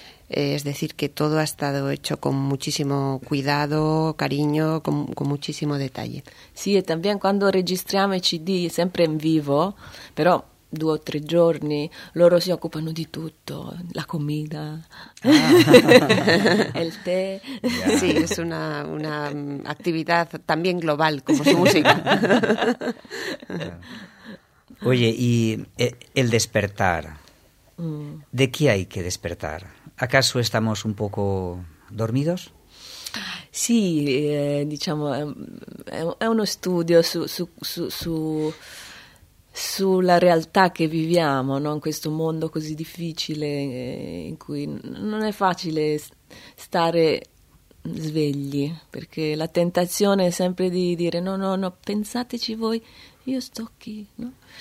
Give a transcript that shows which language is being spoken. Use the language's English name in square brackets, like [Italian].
[Spanish] Es decir, que todo ha estado hecho con muchísimo cuidado, cariño, con muchísimo detalle. Sí, y también cuando registramos CD, siempre en vivo, pero [Italian] due o tre giorni, loro si occupano di tutto, [Spanish] la comida, [Italian] il tè. Yeah. Sì, è una attività [Spanish] también [Italian] global, come su musica. Yeah. [Spanish] Oye, y el despertar, ¿de qué hay que despertar? ¿Acaso estamos un poco dormidos? [Italian] Sì, diciamo, è uno studio sulla realtà che viviamo, no? In questo mondo così difficile in cui non è facile stare svegli, perché la tentazione è sempre di dire no, pensateci voi, io sto qui, no?